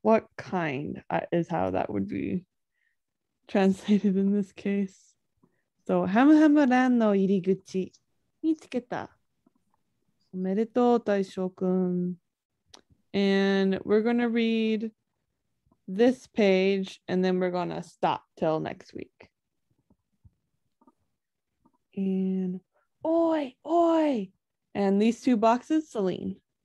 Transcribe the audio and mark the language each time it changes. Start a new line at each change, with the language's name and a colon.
English: What kind is how that would be translated in this case.
Japanese: So, ハムハムランの入り口. 見つけた.おめでとう、大将君.
English: And we're going to read this page and then we're going to stop till next week. And, oi, oi. And these two boxes, Celine.